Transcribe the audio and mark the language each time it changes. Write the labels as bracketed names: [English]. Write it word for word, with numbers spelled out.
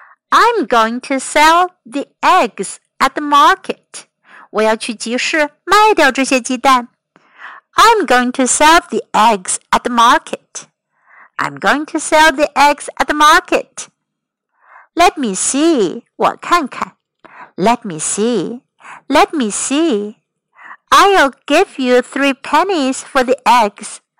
[English] I'm going to sell the eggs at the market. [Chinese] 我要去集市卖掉这些鸡蛋。 [English] I'm going to sell the eggs at the market. I'm going to sell the eggs at the market. Let me see. [Chinese] 我看看。 [English] Let me see. Let me see. I'll give you three pennies for the eggs.